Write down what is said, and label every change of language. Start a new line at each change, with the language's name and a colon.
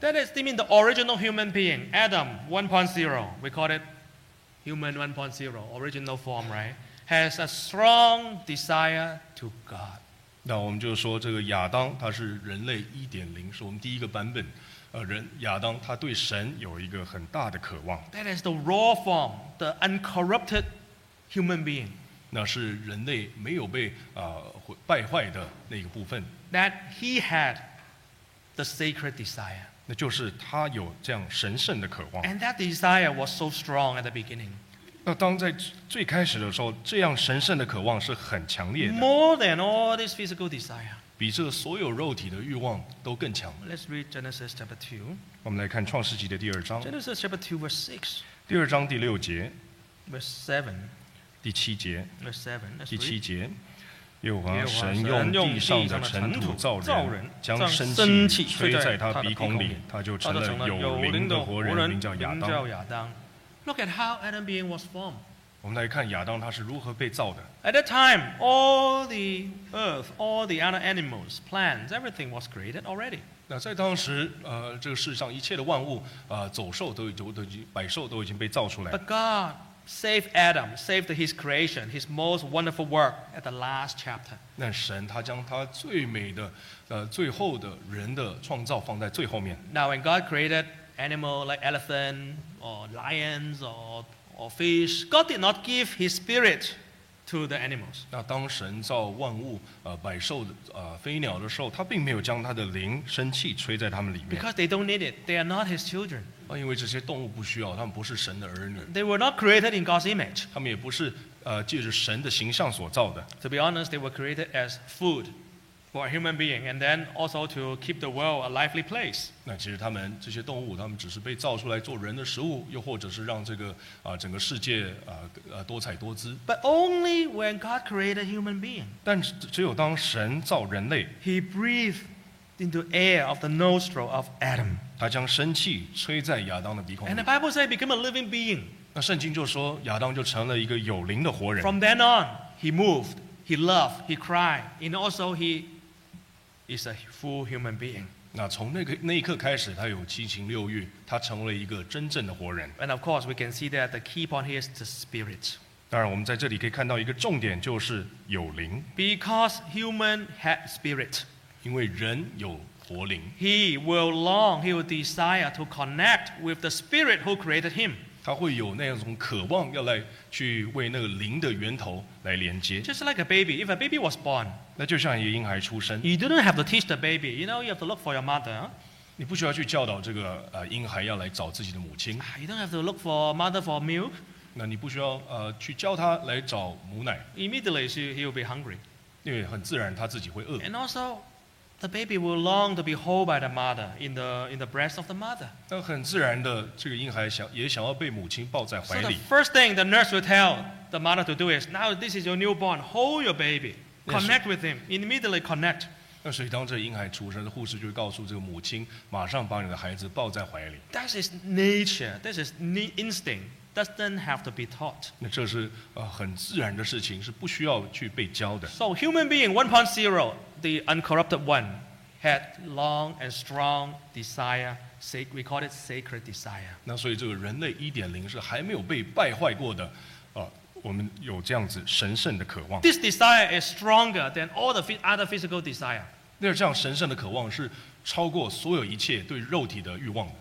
English: That is the original human being, Adam 1.0. We call it human 1.0, original form, right? Has a strong desire to God.
Chinese: 那我们就说这个亚当，他是人类 1.0， 是我们第一个版本。人亚当他对神有一个很大的渴望。
English: That is the raw form, the uncorrupted human being.
Chinese: 那是人类没有被败坏的那个部分。
English: That he had the sacred desire.
Chinese: 那就是他有这样神圣的渴望。
English: And that desire was so strong at the beginning.
Chinese: 那当在最开始的时候，这样神圣的渴望是很强烈的。
English: More than all this physical desire.
Chinese: 比这所有肉体的欲望都更强。
English: Let's read Genesis chapter 2.
Chinese: 我们来看创世纪的第二章。
English: Genesis chapter 2 verse 6.
Chinese: 第二章第六节。
English: Verse 7.
Chinese: 第七节。
English: Verse 7.
Chinese: 第七节。耶和华神用地上的尘土造人，将生气吹在他鼻孔里，他就成了有灵的活人，名叫亚当。
English: Look at how Adam being was formed.
Chinese: 我们来看亚当他是如何被造的。
English: At that time, all the earth, all the other animals, plants, everything was created already.
Chinese: 那在当时，这个世上一切的万物，走兽都已经，百兽都已经被造出来。
English: But God. Saved Adam, saved his creation, his most wonderful work at the last chapter.
Chinese: 那神他将他最美的，最后的人的创造放在最后面。
English: Now, when God created animal like elephant or lions or fish, God did not give His spirit to the animals.
Chinese: 那当神造万物，百兽的，飞鸟的时候，他并没有将他的灵、生气吹在他们里面。
English: Because they don't need it, they are not His children.
Chinese: 因为这些动物不需要，他们不是神的儿女。
English: They were not created in God's image.
Chinese: 他们也不是借着神的形象所造的。
English: To be honest, they were created as food for a human being, and then also to keep the world a lively place.
Chinese: 那其实他们这些动物，他们只是被造出来做人的食物，又或者是让这个整个世界多彩多姿。
English: But only when God created a human being.
Chinese: 但只有当神造人类
English: ，He breathed into air of the nostril of Adam.
Chinese: 他将生气吹在亚当的鼻孔里。
English: And the Bible says, "Become a living being."
Chinese: 那圣经就说，亚当就成了一个有灵的活人。
English: From then on, he moved, he loved, he cried, and also he is a full human being.
Chinese: 那从那一刻开始，他有七情六欲，他成了一个真正的活人。
English: And of course, we can see that the key point here is the spirit.
Chinese: 当然，我们在这里可以看到一个重点，就是有灵。
English: Because human had spirit.
Chinese: 因为人有。
English: He will desire to connect with the spirit who created him.
Chinese: 他会有那样一种渴望，要来去为那个灵的源头来连接。
English: Just like a baby, if a baby was born,
Chinese: 那就像一个婴孩出生。
English: You didn't have to teach the baby. You know, you have to look for your mother.
Chinese: 你不需要去教导这个婴孩要来找自己的母亲。
English: You don't have to look for mother for milk.
Chinese: 那你不需要去教他来找母奶。
English: Immediately, he will be hungry.
Chinese: 因为很自然他自己会饿。
English: And also. The baby will long to be held by the mother in the breast of the mother.
Chinese: 那很自然的，这个婴孩也想要被母亲抱在怀里。
English: So the first thing the nurse will tell the mother to do is, now this is your newborn, hold your baby, connect with him, immediately connect.
Chinese: 那所以当这个婴孩出生，护士就会告诉这个母亲，马上把你的孩子抱在怀里。
English: That is nature. This is instinct. Doesn't have to be taught.
Chinese: 那这是很自然的事情，是不需要去被教的。
English: So human being 1.0. The uncorrupted one had long and strong desire. We call it sacred desire.
Chinese: 那所以这个人类一点零是还没有被败坏过的，我们有这样子神圣的渴望。
English: This desire is stronger than all the other physical desire.
Chinese: 那这样神圣的渴望是超过所有一切对肉体的欲望。